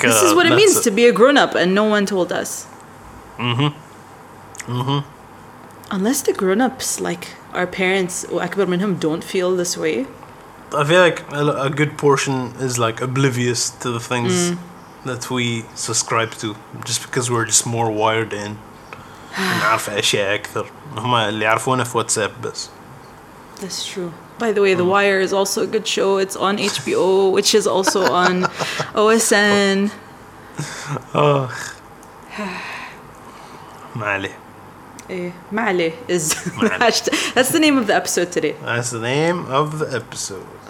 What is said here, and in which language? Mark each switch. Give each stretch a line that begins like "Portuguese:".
English: this is what it means to be a grown-up, and no one told us. Unless the grown-ups, like our parents,
Arabic: أكبر منهم,
English: don't feel this way. I feel like a good portion is like oblivious to the things that we subscribe to just because we're just more wired in.
Arabic: نعرف أشياء أكثر هما اللي يعرفونا في واتساب بس.
English: That's true. By the way, The Wire is also a good show. It's on HBO, which is also on OSN. Oh. Mali. Mali is that's the name of the episode today. That's the name of the episode.